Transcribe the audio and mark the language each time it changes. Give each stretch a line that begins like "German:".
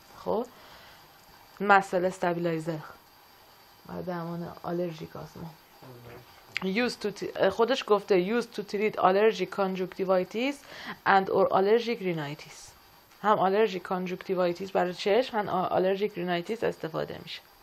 Persian: خب مسل استابلایزر برای درمان آلرژیک آسما. خودش گفته
English: used to treat allergic conjunctivitis and or allergic rhinitis.
Persian: هم allergic conjunctivitis برای چشم، هم allergic rhinitis استفاده میشه.